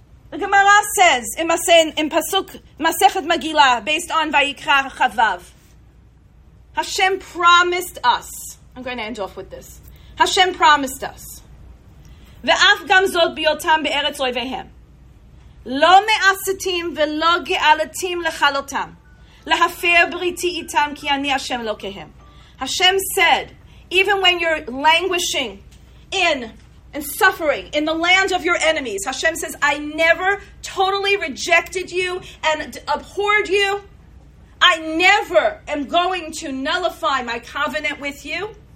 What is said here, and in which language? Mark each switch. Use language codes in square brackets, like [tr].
[en] The Gemara says, in Pasuk, Masechet Megillah, based on Vayikra Chavav, Hashem promised us, I'm going to end off with this, Hashem promised us, [he] ואף גם זאת ביותם בארץ אויביהם. לא מעשתים ולא גאלתים לחלותם. להפר בריתי איתם כי אני השם אלוקיהם. [en] Hashem said, even when you're languishing in and suffering in the land of your enemies, Hashem says, I never totally rejected you and abhorred you. I never am going to nullify my covenant with you.